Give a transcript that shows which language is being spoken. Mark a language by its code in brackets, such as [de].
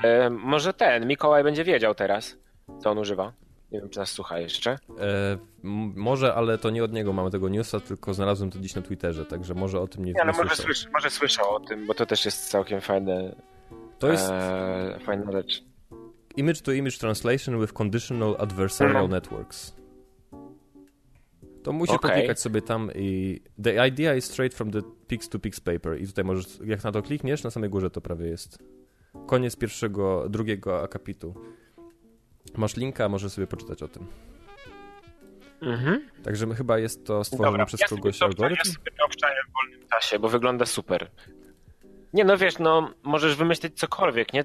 [pl] Może ten, Mikołaj będzie wiedział teraz, co on używa. Nie wiem, czy nas słucha jeszcze. Może, ale to nie od niego mamy tego newsa, tylko znalazłem to dziś na Twitterze, także może o tym nie wiem. Może słyszał o tym, bo to też jest całkiem fajne. To jest fajna rzecz. [en] Image to image translation with conditional adversarial networks. [pl] To musisz poklikać sobie tam i... [en] The idea is straight from the peaks to peaks paper. [pl] I tutaj możesz, jak na to klikniesz, na samej górze to prawie jest. Koniec pierwszego, drugiego akapitu. Masz linka, możesz sobie poczytać o tym. Mhm. Także chyba jest to stworzone przez kogoś algorytm. Ja sobie to obczaję w wolnym czasie, bo wygląda super. Nie, no wiesz, no możesz wymyślić cokolwiek, nie?